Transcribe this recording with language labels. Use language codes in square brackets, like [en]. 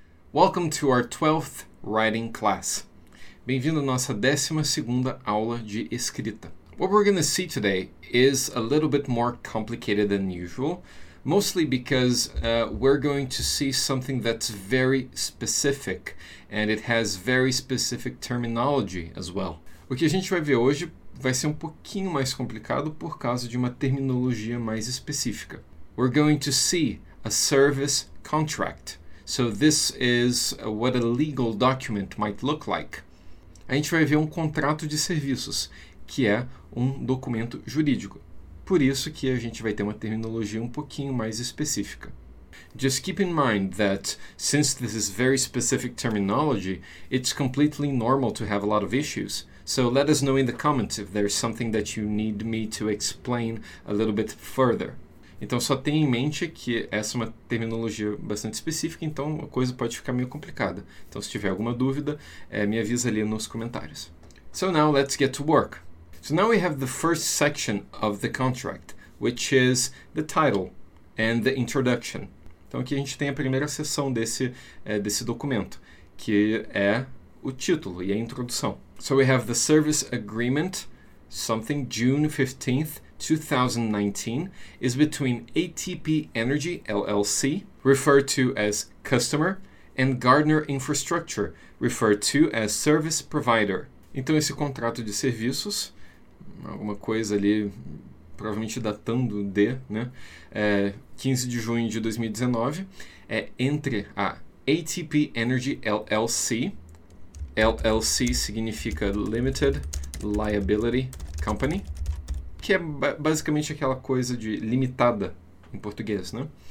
[en] Welcome to our 12th writing class. [pt] Bem-vindo à nossa 12ª aula de escrita. [en] What we're going to see today is a little bit more complicated than usual, mostly because we're going to see something that's very specific, and it has very specific terminology as well. [pt] O que a gente vai ver hoje vai ser um pouquinho mais complicado por causa de uma terminologia mais específica. [en] We're going to see a service contract. So this is what a legal document might look like. [pt] A gente vai ver um contrato de serviços, que é um documento jurídico. Por isso que a gente vai ter uma terminologia um pouquinho mais específica. [en] Just keep in mind that since this is very specific terminology, it's completely normal to have a lot of issues. So let us know in the comments if there's something that you need me to explain a little bit further. [pt] Então, só tenha em mente que essa é uma terminologia bastante específica, então a coisa pode ficar meio complicada. Então, se tiver alguma dúvida, me avisa ali nos comentários. [en] So now, let's get to work. So now we have the first section of the contract, which is the title and the introduction. [pt] Então, aqui a gente tem a primeira seção desse documento, que é o título e a introdução. [en] So we have the service agreement, something June 15th, 2019 is between ATP Energy LLC, referred to as customer, and Gardner Infrastructure, referred to as service provider. [pt] Então esse contrato de serviços, alguma coisa ali provavelmente datando de, né, 15 de junho de 2019, entre a ATP Energy LLC. LLC significa Limited Liability Company. Que é basicamente aquela coisa de limitada em português, né?